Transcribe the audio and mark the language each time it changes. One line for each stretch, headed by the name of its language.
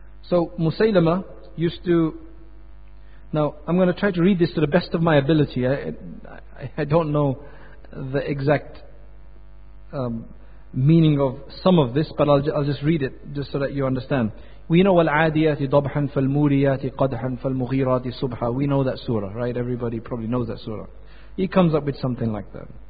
English: So Musaylama used to... Now, I'm going to try to read this to the best of my ability. I don't know the exact... meaning of some of this, but I'll just read it just so that you understand. We know
Arabic: وَالْعَادِيَاتِ ضَبْحًا فَالْمُورِيَاتِ قَدْحًا فَالْمُغِيرَاتِ صُبْحًا.
English: We know that surah, right? Everybody probably knows that surah. He comes up with something like that.